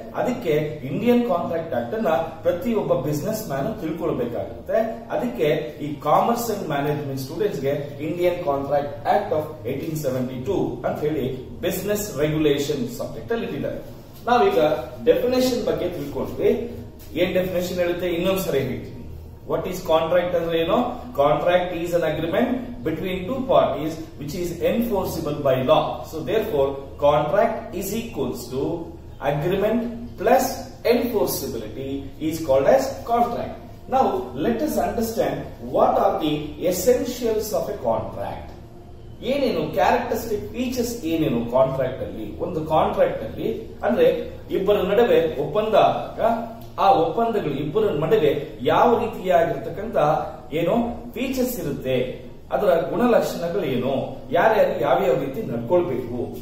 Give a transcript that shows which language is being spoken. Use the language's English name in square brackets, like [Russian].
[Kannada] ಅದಕ್ಕೆ Indian contract act ಅನ್ನ ಪ್ರತಿಯೊಬ್ಬ ಬಿಸ್ನೆಸ್ ಮ್ಯಾನ್ ತಿಳ್ಕೊಳ್ಬೇಕಾಗುತ್ತೆ. ಅದಕ್ಕೆ e commerce and management students ಗೆ ಇಂಡಿಯನ್ ಕಾಂಟ್ರಾಕ್ಟ್ ಆಕ್ಟ್ ಆಫ್ 1872 ಅಂತ ಹೇಳಿ ಬಿಸ್ನೆಸ್ ರೆಗ್ಯುಲೇಷನ್ ಸಬ್ಜೆಕ್ಟ್ ಅಲ್ಲಿ ಇಟ್ಟಿದ್ದಾರೆ. ನಾವೀಗ ಡೆಫಿನೇಷನ್ ಬಗ್ಗೆ ತಿಳ್ಕೊಳ್ತೀವಿ. ಏನ್ ಡೆಫಿನೇಷನ್ ಹೇಳುತ್ತೆ ಇನ್ನೊಂದ್ಸರಿ ಹೇಳ್ತೀವಿ. [English] What is contract [Kannada] andre eno? [English] Contract is an agreement between two parties which is enforceable by law. So therefore contract is equals to agreement plus enforceability is called as contract. Now let us understand what are the essentials of a contract. [Kannada] Yenenu characteristic features yenenu contract alli, ondu contract alli andre ibbara nadave oppanda aga, ಆ ಒಪ್ಪಂದಗಳು ಇಬ್ಬರ ನಡುವೆ ಯಾವ ರೀತಿಯಾಗಿರ್ತಕ್ಕಂತ ಏನು features ಇರುತ್ತೆ, ಅದರ ಗುಣಲಕ್ಷಣಗಳು ಏನು, ಯಾರ್ಯಾರು ಯಾವ್ಯಾವ ರೀತಿ ನಡ್ಕೊಳ್ಬೇಕು.